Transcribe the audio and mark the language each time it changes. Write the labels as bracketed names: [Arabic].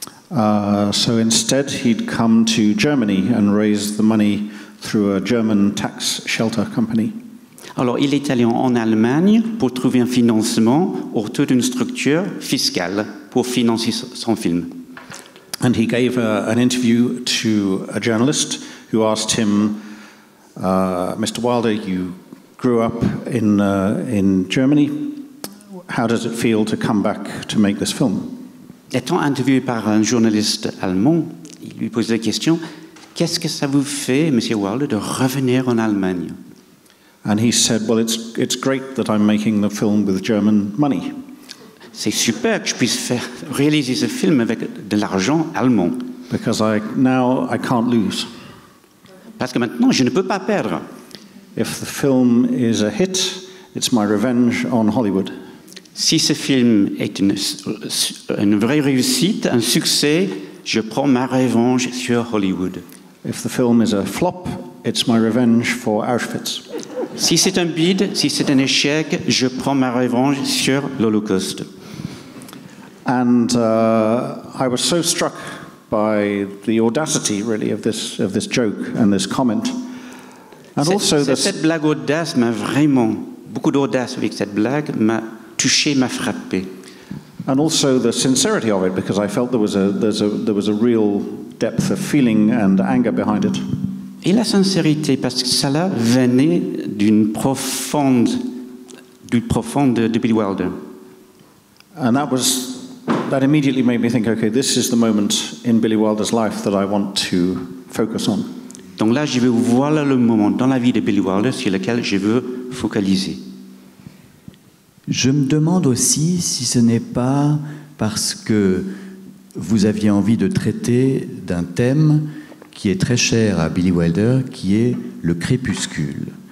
[English] So instead, he'd come to Germany and raise the money through a German tax shelter company. [French] Alors, il est allé en Allemagne pour trouver un financement autour d'une structure fiscale pour financer son film. [English] And he gave an interview to a journalist who asked him, Mr. Wilder, you grew up in Germany. How does it feel to come back to make this film? [French] Étant interviewé par un journaliste allemand, il lui posait la question, qu'est-ce que ça vous fait, Monsieur Wilder, de revenir en Allemagne? [English] And he said, well, it's great that I'm making the film with German money. [French] C'est super que je puisse faire réaliser ce film avec de l'argent allemand. [English] Because I can't lose. [French] Parce que maintenant, je ne peux pas perdre. [English] If the film is a hit, it's my revenge on Hollywood. [French] Si ce film est une vraie réussite, un succès, je prends ma revanche sur Hollywood. [English] If the film is a flop, it's my revenge for Auschwitz. [French] Si c'est un bide, si c'est un échec, je prends ma revanche sur l'Holocauste. [English] And I was so struck by the audacity, really, of this joke and this comment. And also [French] cette blague audace m'a vraiment, beaucoup d'audace avec cette blague, m'a touché, m'a frappé. [English] And also the sincerity of it, because I felt there was a real depth of feeling and anger behind it. [French] Et la sincérité, parce que cela venait du profond de Billy Wilder. [English] And that immediately made me think, okay, this is the moment in Billy Wilder's life that I want to focus on. [French] Donc là, je veux voir le moment dans la vie de Billy Wilder sur lequel je veux focaliser. Je me demande aussi si ce n'est pas parce que vous aviez envie de traiter d'un thème qui est très cher à Billy Wilder, qui est le crépuscule.